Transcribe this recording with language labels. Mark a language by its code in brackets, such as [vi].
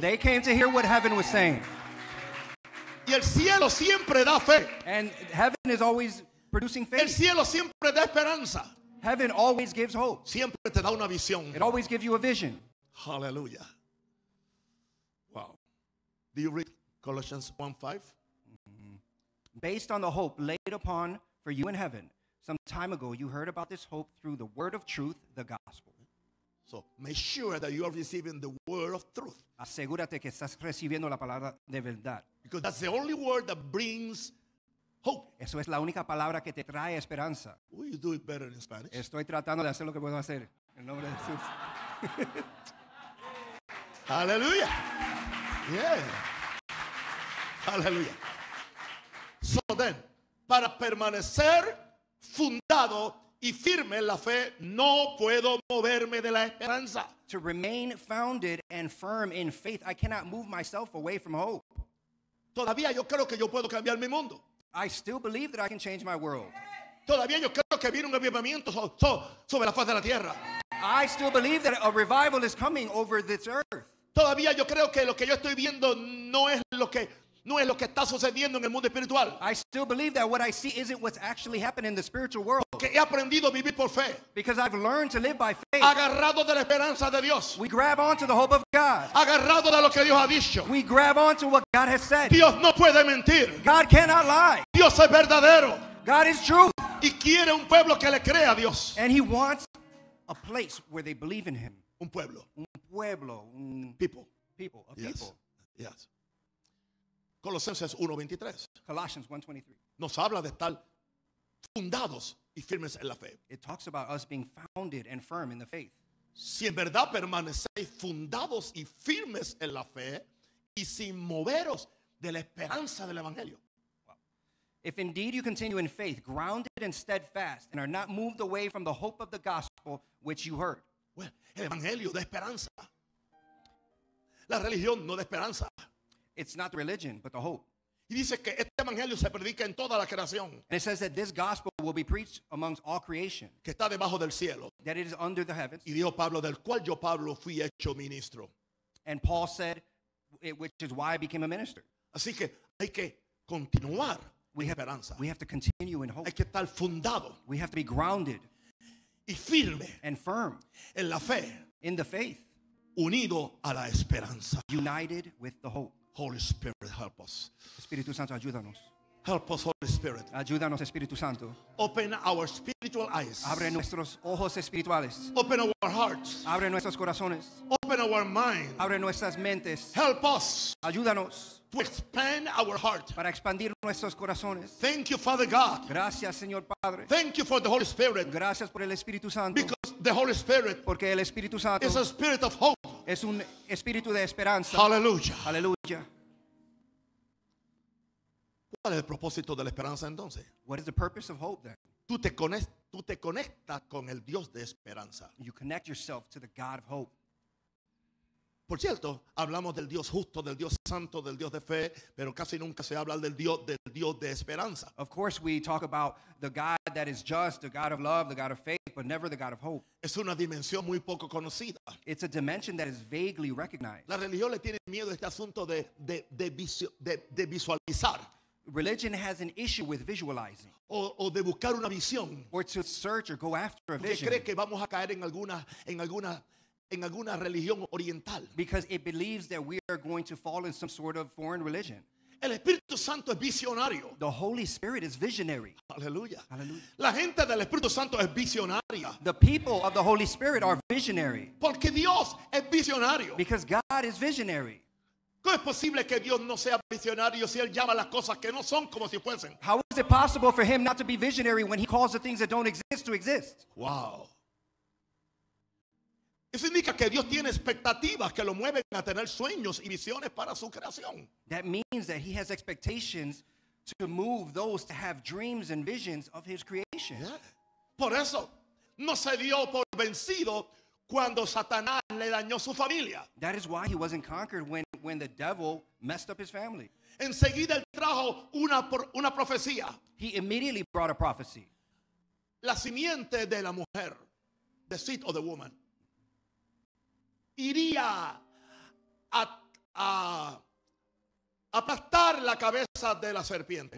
[en] They came to hear what heaven was saying. [es] Y el cielo siempre da fe. [en] And heaven is always producing faith. [es] El cielo siempre da esperanza. [en] Heaven always gives hope. [es] Siempre te da una visión. [en] It always gives you a vision. Hallelujah. Wow. Do you read Colossians 1:5? Based on the hope laid upon for you in heaven, Some time ago, you heard about this hope through the word of truth, the gospel. So make sure that you are receiving the word of truth. [es] Asegúrate que estás recibiendo la palabra de verdad. [en] Because that's the only word that brings hope. [es] Eso es la única palabra que te trae esperanza. [en] Will you do it better in Spanish? [es] Estoy tratando de hacer lo que puedo hacer. En nombre de Jesús. [en] Hallelujah. Yeah. Hallelujah. So then, [es] para permanecer fundado y firme en la fe, no puedo moverme de la esperanza. [en] To remain founded and firm in faith, I cannot move myself away from hope. [es] Todavía yo creo que yo puedo cambiar mi mundo. [en] I still believe that I can change my world. [es] Todavía yo creo que viene un avivamiento sobre la faz de la tierra. [en] I still believe that a revival is coming over this earth. [es] Todavía yo creo que lo que yo estoy viendo no es lo que está sucediendo en el mundo espiritual. [en] I still believe that what I see isn't what's actually happening in the spiritual world. [es] Porque he aprendido a vivir por fe. [en] Because I've learned to live by faith. [es] Agarrado de la esperanza de Dios. [en] We grab onto the hope of God. [es] Agarrado de lo que Dios ha dicho. [en] We grab onto what God has said. [es] Dios no puede mentir. [en] God cannot lie. [es] Dios es verdadero. [en] God is true. [es] Y quiere un pueblo que le crea a Dios. [en] And he wants a place where they believe in him. [es] Un pueblo. Un pueblo. [en] Yes. [es] Colosenses 1:23. [en] Colossians 1:23. [es] Nos habla de estar fundados y firmes en la fe. [en] It talks about us being founded and firm in the faith. [es] Si en verdad permanecéis fundados y firmes en la fe y sin moveros de la esperanza del evangelio. [en] Wow. If indeed you continue in faith, grounded and steadfast, and are not moved away from the hope of the gospel which you heard. Well, [es] el evangelio de esperanza. La religión no de esperanza. [en] It's not the religion, but the hope. [es] Y dice que este evangelio se predica en toda la creación. [en] And it says that this gospel will be preached amongst all creation. [es] Que está debajo del cielo. [en] That it is under the heavens. [es] Y dijo Pablo, del cual yo, Pablo, fui hecho ministro. [en] And Paul said, which is why I became a minister. [es] Así que hay que continuar en esperanza. [en] We have to continue in hope. [es] Hay que estar fundado. [en] We have to be grounded. [es] Y firme. [en] And firm. [es] En la fe. [en] In the faith. [es] Unido a la esperanza. [en] United with the hope. Holy Spirit, help us. [es] Espíritu Santo, ayúdanos. [en] Help us, Holy Spirit. [es] Ayúdanos, Espíritu Santo. [en] Open our spiritual eyes. [es] Abre nuestros ojos espirituales. [en] Open our hearts. [es] Abre nuestros corazones. [en] Open our minds. [es] Abre nuestras mentes. [en] Help us. [es] Ayúdanos. [en] To expand our heart. [es] Para expandir nuestros corazones. [en] Thank you, Father God. [es] Gracias, Señor Padre. [en] Thank you for the Holy Spirit. [es] Gracias por el Espíritu Santo. [en] Because the Holy Spirit. [es] Porque el Espíritu Santo. [en] Is a spirit of hope. [es] Es un espíritu de esperanza. [en] Hallelujah. Hallelujah. [es] ¿Cuál es el propósito de la esperanza entonces? [en] What is the purpose of hope then? [es] Tú te conectas con el Dios de esperanza. [en] You connect yourself to the God of hope. [es] Por cierto, hablamos del Dios justo, del Dios santo, del Dios de fe, pero casi nunca se habla del Dios de esperanza. [en] Of course we talk about the God that is just, the God of love, the God of faith, but never the God of hope. [es] Es una dimensión muy poco conocida. [en] It's a dimension that is vaguely recognized. [es] La religión le tiene miedo a este asunto de visualizar. [en] Religion has an issue with visualizing. [es] O de buscar una visión. [en] Or to search or go after a vision. [es] Porque cree que vamos a caer en alguna religión oriental. [en] Because it believes that we are going to fall in some sort of foreign religion. [es] El Espíritu Santo es visionario. [en] The Holy Spirit is visionary. [es] Aleluya. Aleluya. La gente del Espíritu Santo es visionaria. [en] The people of the Holy Spirit are visionary. [es] Porque Dios es visionario. [en] Because God is visionary. [es] ¿Cómo es posible que Dios no sea visionario si él llama las cosas que no son como si fuesen? [en] How is it possible for him not to be visionary when he calls the things that don't exist to exist? Wow. [es] Eso indica que Dios tiene expectativas que lo mueven a tener sueños y visiones para su creación. [en] That means that he has expectations to move those to have dreams and visions of his creation. Yeah. [es] Por eso no se dio por vencido cuando Satanás le dañó su familia. [en] That is why he wasn't conquered when the devil messed up his family. [es] Enseguida él trajo una profecía. [en] He immediately brought a prophecy. [es] La simiente de la mujer, [en] the seed of the woman, [es] iría a aplastar la cabeza de la serpiente.